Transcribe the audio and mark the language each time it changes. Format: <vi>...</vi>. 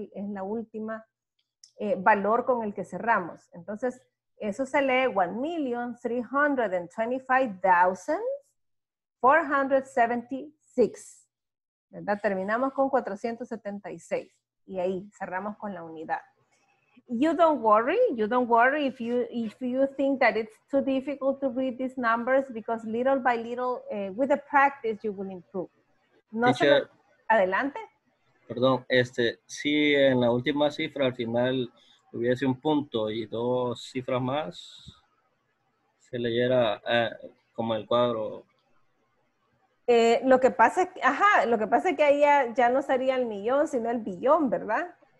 <es>Es la última valor con el que cerramos. Entonces, eso se lee 1,325,476, ¿verdad? Terminamos con 476 y ahí cerramos con la unidad.</es> <en>You don't worry if you think that it's too difficult to read these numbers because little by little, with the practice, you will improve.</en> <es>No, teacher, adelante. Perdón, si en la última cifra al final hubiese un punto y dos cifras más, se leyera como el cuadro. Lo que pasa es que ahí ya no sería el millón, sino el billón, ¿verdad?</es>